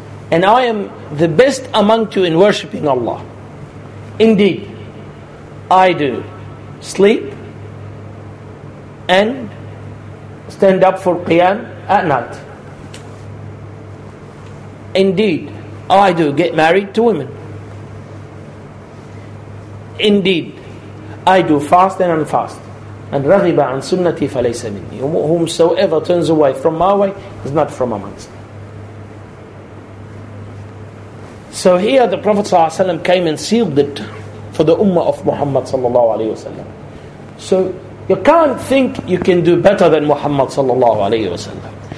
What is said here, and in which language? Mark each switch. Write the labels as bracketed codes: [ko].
[en] And I am the best among you in worshiping Allah. Indeed, I do sleep and stand up for Qiyam at night. Indeed, I do get married to women. Indeed, I do fast and unfast. [ar] And رغب عن سنتي فليس مني. [en] Whomsoever turns away from my way is not from amongst. So here the Prophet ﷺ came and sealed it for the Ummah of Muhammad sallallahu alayhi wasallam. So you can't think you can do better than Muhammad sallallahu alayhi wasallam.